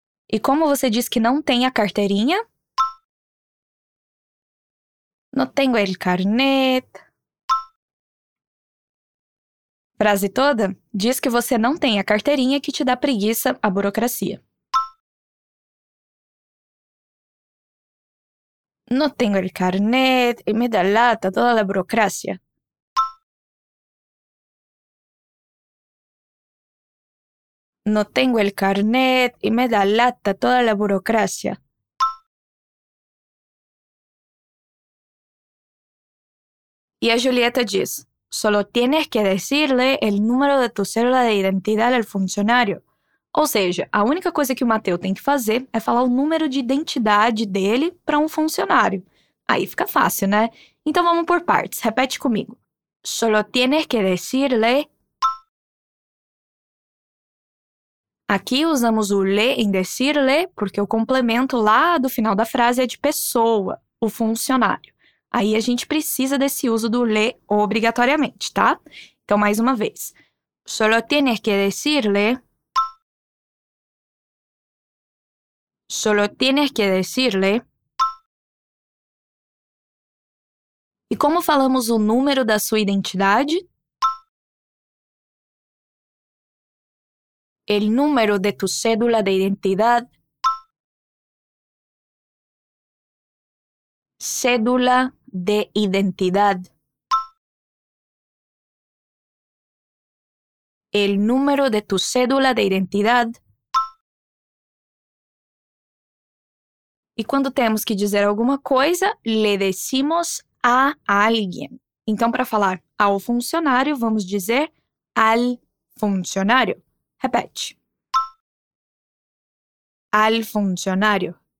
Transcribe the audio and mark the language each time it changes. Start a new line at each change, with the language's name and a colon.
Portuguese: E como você diz que não tem a carteirinha?
Spanish: No tengo el carnet.
Portuguese: Frase toda? Diz que você não tem a carteirinha que te dá preguiça a burocracia.
Spanish: No tengo el carnet y me da lata toda la burocracia. No tengo el carnet y me da lata toda la burocracia. Y a Julieta dice, solo tienes que decirle el número de tu cédula de identidad al funcionario.
Portuguese: Ou seja, a única coisa que o Mateu tem que fazer é falar o número de identidade dele para um funcionário. Aí fica fácil, né? Então vamos por partes. Repete comigo.
Spanish: Solo tienes que decirle.
Portuguese: Aqui usamos o le em decirle porque o complemento lá do final da frase é de pessoa, o funcionário. Aí a gente precisa desse uso do le obrigatoriamente, tá? Então, mais uma vez.
Spanish: Solo tienes que decirle. Solo tienes que decirle.
Portuguese: E como falamos o número da sua identidade?
Spanish: El número de tu cédula de identidad. Cédula de identidad. El número de tu cédula de identidad.
Portuguese: E quando temos que dizer alguma coisa,
Spanish: le decimos a alguien.
Portuguese: Então, para falar ao funcionário, vamos dizer
Spanish: al funcionário.
Portuguese: Repete.
Spanish: Al funcionário.